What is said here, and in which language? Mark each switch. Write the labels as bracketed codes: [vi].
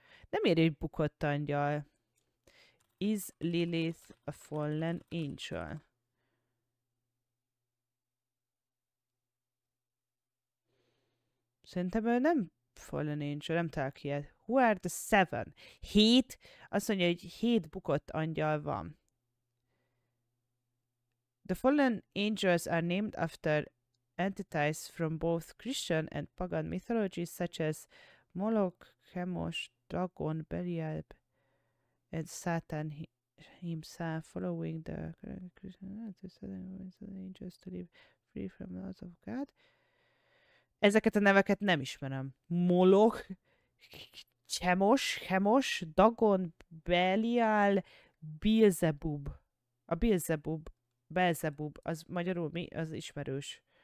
[hu] Nem ér egy bukott angyal. [en] Is Lilith a fallen angel? [hu] Szerintem ő nem fallen angel, nem talál ki. [en] Who are the seven? [hu] Hét? Azt mondja, hogy hét bukott angyal van. [en] The fallen angels are named after entities from both Christian and pagan mythologies such as Moloch, Chemosh, Dagon, Belial, and Satan himself, following the Christian to send angels to live free from the laws of God. [hu] Ezeket a neveket nem ismerem. [en] Moloch, Chemosh, Dagon, Belial, Beelzebub. [hu] A Beelzebub, az magyarul mi? Az ismerős.